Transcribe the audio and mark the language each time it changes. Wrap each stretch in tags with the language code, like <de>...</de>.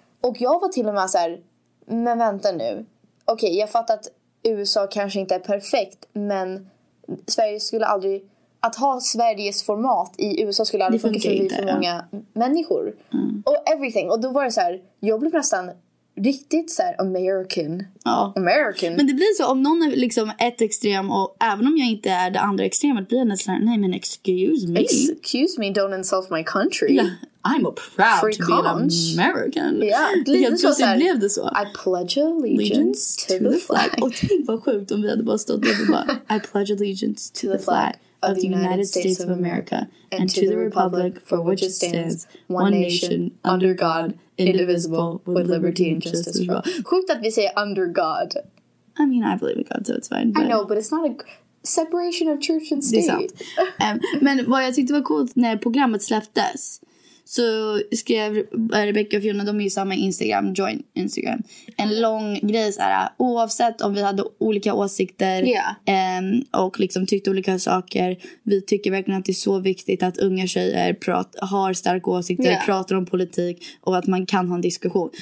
<sv>Och jag var till och med så här, men vänta nu. Okej, jag fattar att USA kanske inte är perfekt, men Sverige skulle aldrig, att ha Sveriges format i USA skulle aldrig funka för inte, många människor. Mm. Och everything. Och då var det så här, jag blev nästan riktigt så här American. Ja.</sv> <en>American.</en> <sv>Men det blir så om någon är liksom ett extrem och även om jag inte är det andra extremet blir det så här, nej men</sv> <en>excuse me. Excuse me, don't insult my country. Yeah, I'm a proud free to conch. Be an American. Yeah,</en> <sv>jag tror att det blev det så.</sv> <en>I pledge allegiance to the flag.</en> <sv>Och tänk vad sjukt om vi hade bara stått där och bara</sv> <en>I pledge allegiance to the flag of the United States of America and to the republic for which it stands, one nation under God. Indivisible with liberty and justice for all.</en> <sv>Sjukt att vi säger under God.</sv> <en>I mean, I believe in God, so it's fine. But I know, but it's not a separation of church and state.</en> <sv>Men vad jag tyckte var coolt när programmet släpptes så skrev Rebecca och Fiona, de är ju samma Instagram, join Instagram. En lång grej så här, oavsett om vi hade olika åsikter och liksom tyckte olika saker. Vi tycker verkligen att det är så viktigt att unga tjejer har starka åsikter, pratar om politik och att man kan ha en diskussion.</sv>